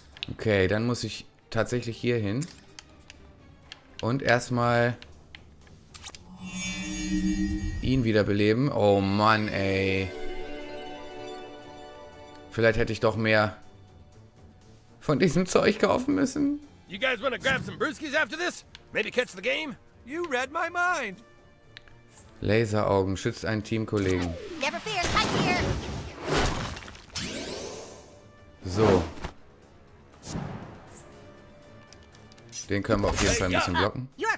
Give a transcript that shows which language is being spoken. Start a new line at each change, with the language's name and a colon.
German: Okay, dann muss ich tatsächlich hier hin. Und erstmal ihn wiederbeleben. Oh Mann, ey. Vielleicht hätte ich doch mehr von diesem Zeug kaufen müssen.
English: You guys wanna grab some brewskis after this? Maybe catch the game? You read my mind.
German: Laseraugen schützt einen Teamkollegen.
English: Never fear, I'm here.
German: So. Den können wir auf jeden Fall ein bisschen blocken.